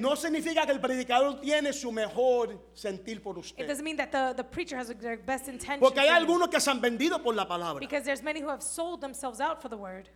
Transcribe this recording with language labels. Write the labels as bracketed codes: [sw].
[es] No significa que el predicador tiene su mejor sentir por usted. [en] It doesn't mean that the preacher has their best intention. [es] Porque hay algunos que se han vendido por la palabra. [en] Because there's many who have sold themselves out for the word.